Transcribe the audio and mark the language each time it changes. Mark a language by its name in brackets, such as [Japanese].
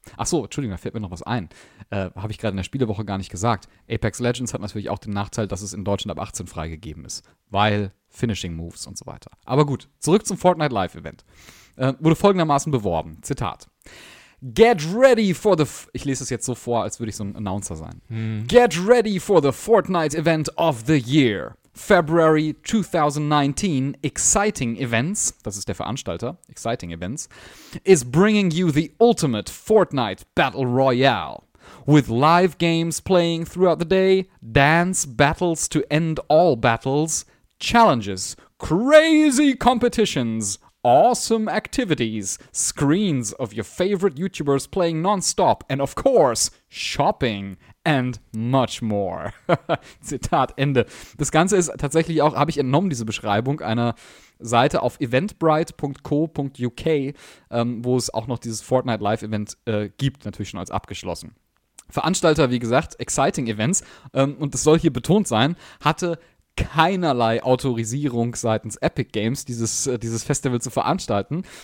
[German] Achso, Entschuldigung, da fällt mir noch was ein. Habe ich gerade in der Spielewoche gar nicht gesagt. Apex Legends hat natürlich auch den Nachteil, dass es in Deutschland ab 18 freigegeben ist, weil Finishing Moves und so weiter. Aber gut, zurück zum Fortnite Live Event. Wurde folgendermaßen beworben. Zitat. [English] Get ready for the... [German] Ich lese es jetzt so vor, als würde ich so ein Announcer sein. Hm. [English] Get ready for the Fortnite Event of the Year. February 2019 Exciting Events, [German] das ist der Veranstalter, [English] Exciting Events, is bringing you the ultimate Fortnite Battle Royale. With live games playing throughout the day, dance battles to end all battles, challenges, crazy competitions, awesome activities, screens of your favorite YouTubers playing non-stop, and of course, shopping and much more. [German] Zitat Ende. Das Ganze ist tatsächlich auch, habe ich entnommen, diese Beschreibung einer Seite auf eventbrite.co.uk, wo es auch noch dieses Fortnite Live-Event gibt, natürlich schon als abgeschlossen. Veranstalter, wie gesagt, Exciting Events, und das soll hier betont sein, hatte keinerlei Autorisierung seitens Epic Games, dieses Festival zu veranstalten.